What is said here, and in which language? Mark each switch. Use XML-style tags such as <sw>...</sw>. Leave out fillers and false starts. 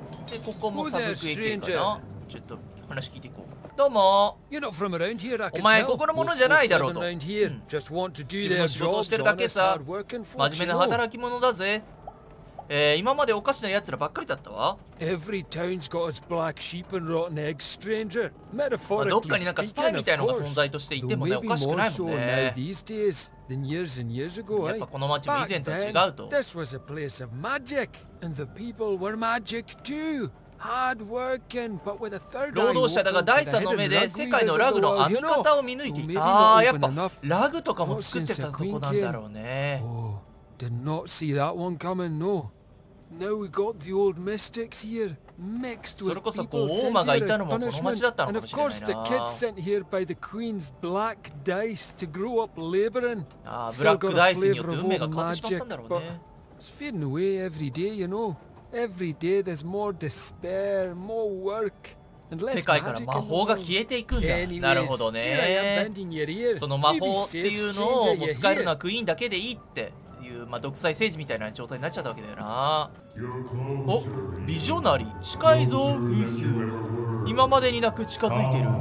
<ja>で、ここもサブクエ系かな。ちょっと話聞いていこう。どうも、お前ここのものじゃないだろうと、自分の仕事をしてるだけさ、真面目な働き者だぜ。今までおかしなやつらばっかりだったわ。</ja> <en>Every town's got its black sheep and rotten eggs, stranger. Metaphorically speaking,</en> <ja>どっかになんかスパイみたいなのが存在としていてもね、おかしくないもんね。やっぱこの街も以前とは違うと。</ja> <en>This was a place of magic, and the people were magic too. Hard working, but with a third eye.</en> <ja>労働者だが第三の目で世界のラグの編み方を見抜いていた。ああ、やっぱラグとかも作ってたとこなんだろうね。</ja> <en>Did not see that one coming, no. Now we got the old mystics here, mixed with people sent here as punishment. And of course, the kids sent here by the Queen's black dice to grow up laboring. Still got a flavor of old magic, but it's fading away every day, you know. Every day there's more despair, more work.</en> <ja>世界から魔法が消えていくんだ。なるほどね。その魔法っていうのをもう使えるのはクイーンだけでいいっていう、まあ、独裁政治みたいな状態になっちゃったわけだよな。お、ビジョナリー近いぞ。グース今までになく近づいている。</ja>